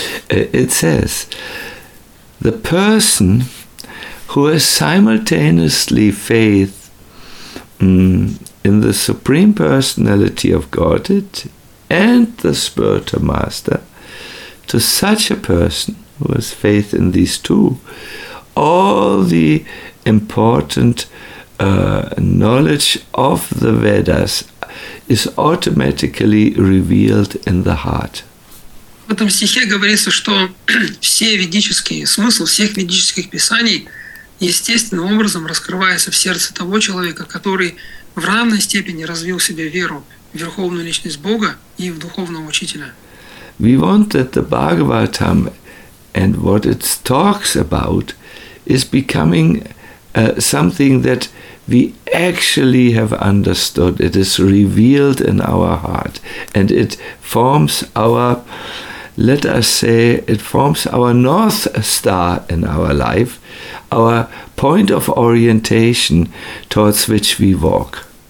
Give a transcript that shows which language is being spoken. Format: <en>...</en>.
<en>It says, the person who has simultaneously faith in the Supreme Personality of Godhead and the spiritual master, to such a person who has faith in these two, all the important knowledge of the Vedas is automatically revealed in the heart.</en> <ru>В этом стихе говорится, что все ведические смысл всех ведических писаний естественным образом раскрывается в сердце того человека, который в равной степени развил в себе веру в верховную личность Бога и в духовного учителя.</ru> <en>We want that the Bhagavatam and what it talks about is becoming something that we actually have understood. It is revealed in our heart, and it forms our, let us say, it forms our north star in our life, our point of orientation towards which we walk.</en>